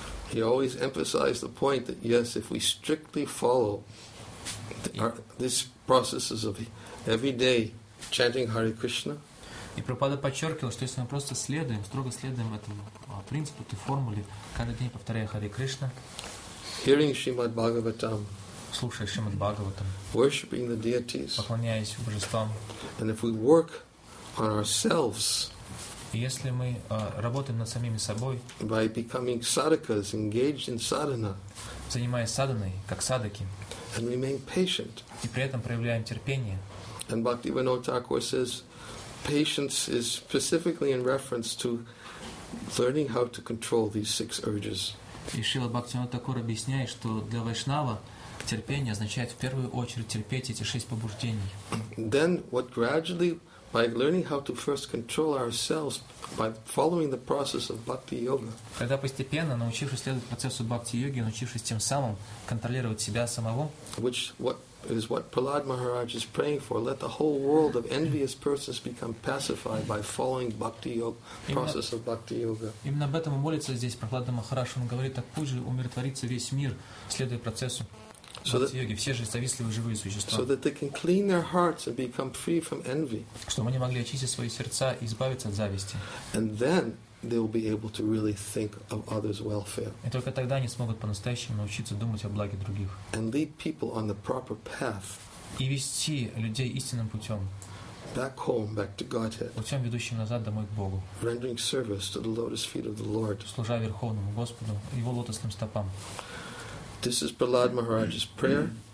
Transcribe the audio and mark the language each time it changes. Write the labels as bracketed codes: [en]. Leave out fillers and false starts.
[en] He always emphasized the point that yes, if we strictly follow these processes of every day chanting Hare Krishna. [ru] И Прабхупада подчеркивал, что если мы просто следуем, строго следуем этому принципу, этой формуле, каждый день повторяя Харе Кришна, [en] hearing Shrimad Bhagavatam, [ru] слушая Шримад Бхагаватам, [en] worshiping the deities, [ru] поклоняясь божествам, [en] and if we work on ourselves, [ru] и если мы работаем над самими собой, [en] by becoming sadhakas, engaged in sadhana, [ru] занимаясь садханой, как садхаки, [en] and remain patient, [ru] и при этом проявляем терпение, [en] and Bhaktivinoda Thakur says, patience is specifically in reference to learning how to control these six urges. [ru] И Шрила Бхактивинода Такур объясняет, что для вайшнава терпение означает в первую очередь терпеть эти шесть побуждений. [en] Then what gradually by learning how to first control ourselves by following the process of bhakti yoga. [ru] Когда постепенно, научившись следовать процессу бхакти йоги, научившись тем самым контролировать себя самого, [en] which what is what Prahlad Maharaj is praying for, let the whole world of envious persons become pacified by following bhakti yoga, process of bhakti yoga. [ru] Именно об этом молится здесь Прахлад Махарадж. Он говорит, так пусть же умиротворится весь мир, следуя процессу бхакти йоги, все же зависливые живые существа. [en] So that they can clean their hearts and become free from envy. [ru] Чтобы они могли очистить свои сердца и избавиться от зависти. [en] And then they will be able to really think of others' welfare. [ru] И только тогда они смогут по-настоящему научиться думать о благе других. [en] And lead people on the proper path. [ru] И вести людей истинным путем. [en] Back home, back to Godhead. [ru] Путем, ведущим назад домой к Богу. [en] Rendering service to the lotus feet of the Lord. [ru] Служа Верховному Господу, Его лотосным стопам. [en] This is Prahlad Maharaj's prayer.